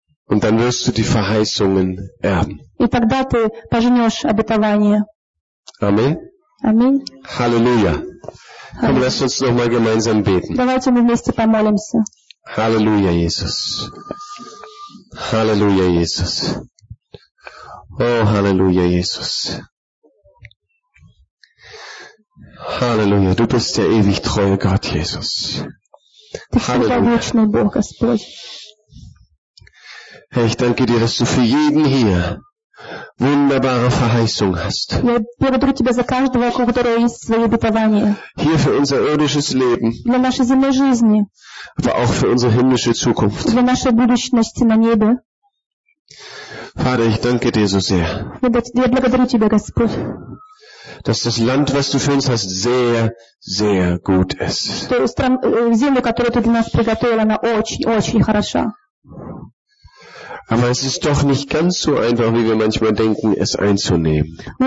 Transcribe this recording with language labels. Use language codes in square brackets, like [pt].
[de] Und dann wirst du die Verheißungen erben. [ru] И тогда ты пожнешь обетование. Аминь. Halleluja. [de] Komm, lass uns noch mal gemeinsam beten. [ru] Давайте мы вместе помолимся. Halleluja, Jesus. Halleluja, Jesus. Oh, Halleluja, Jesus. [de] Halleluja, du bist der ewig treue Gott, Jesus. Halleluja. [ru] Ты всегда вечный Бог, Господь. [de] Herr, ich danke dir, dass du für jeden hier wunderbare Verheißung hast. [ru] Я благодарю тебя за каждого, у которого есть свое обетование. [de] Hier für unser irdisches Leben. [ru] Для нашей земной жизни. [de] Aber auch für unsere himmlische Zukunft. [ru] Для нашей будущности на небе. [de] Vater, ich danke dir so sehr. [ru] Я благодарю тебя, Господь. [de] Dass das Land, was du für uns hast, sehr, sehr gut ist. [ru] Землю, которую ты для нас приготовил, она очень, очень хороша. [de] Aber es ist doch nicht ganz so einfach, wie wir manchmal denken, es einzunehmen.